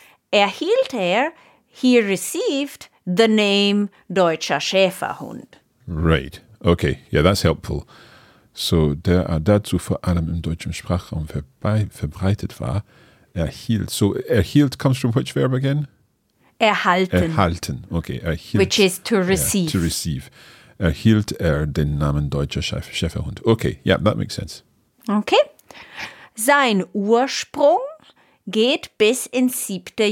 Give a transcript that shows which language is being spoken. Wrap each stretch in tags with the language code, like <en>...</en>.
<de>Erhielt er,</de> <en>he received the name Deutscher Schäferhund. Right. Okay. Yeah, that's helpful.</en> <de>So, der dazu vor allem im deutschen Sprachraum verbreitet war, erhielt.</de> <en>So, erhielt comes from which verb again?</en> <de>Erhalten. Erhalten. Okay. Erhielt.</de> <en>Which is to receive. Yeah, to receive.</en> <de>Erhielt den Namen deutscher Schäferhund.</de> <en>Okay. Yeah, that makes sense. Okay.</en> <de>Sein Ursprung geht bis ins 7.</de>